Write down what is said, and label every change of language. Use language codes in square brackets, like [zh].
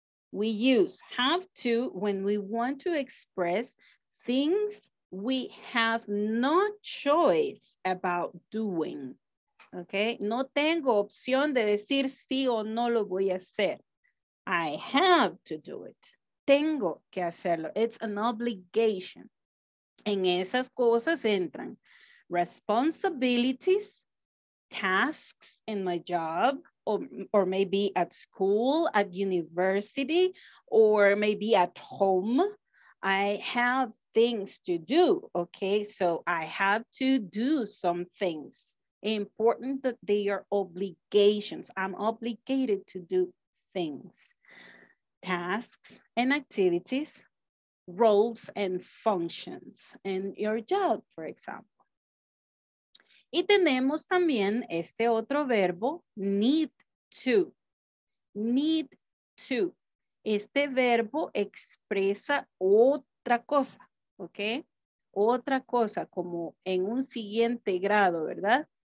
[en] We use have to when we want to express things we have no choice about doing. [es] Okay, no tengo opción de decir sí o no lo voy a hacer. [en] I have to do it. [es] Tengo que hacerlo. [en] It's an obligation. [es] En esas cosas entran [en] responsibilities, tasks in my job, or maybe at school, at university, or maybe at home. I have things to do, okay? So I have to do some things. Important that they are obligations. I'm obligated to do things. Tasks and activities, roles and functions in your job, for example. [es] Y tenemos también este otro verbo, need to. Need to. Este verbo expresa otra cosa, ¿ok? Otra cosa, como en un siguiente grado, ¿verdad?